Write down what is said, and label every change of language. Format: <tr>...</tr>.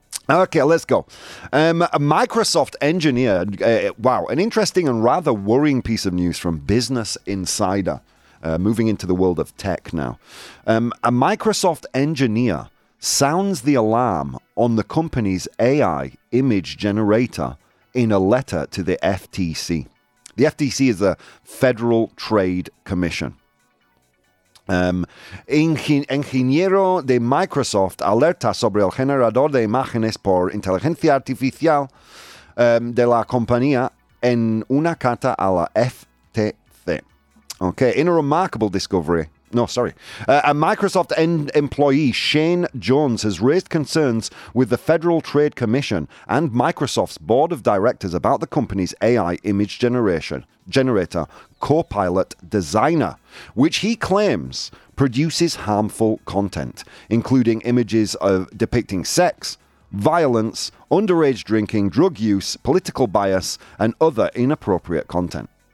<en>Okay, let's go. A Microsoft engineer, an interesting and rather worrying piece of news from Business Insider, moving into the world of tech now. A Microsoft engineer sounds the alarm on the company's AI image generator in a letter to the FTC. The FTC is the Federal Trade Commission.</en> <es>Ingeniero de Microsoft alerta sobre el generador de imágenes por inteligencia artificial de la compañía en una carta a la FTC.</es> <en>Okay, in a remarkable discovery. No, sorry. A Microsoft employee, Shane Jones, has raised concerns with the Federal Trade Commission and Microsoft's board of directors about the company's AI image generator, Copilot Designer, which he claims produces harmful content, including images of depicting sex, violence, underage drinking, drug use, political bias, and other inappropriate content.</en>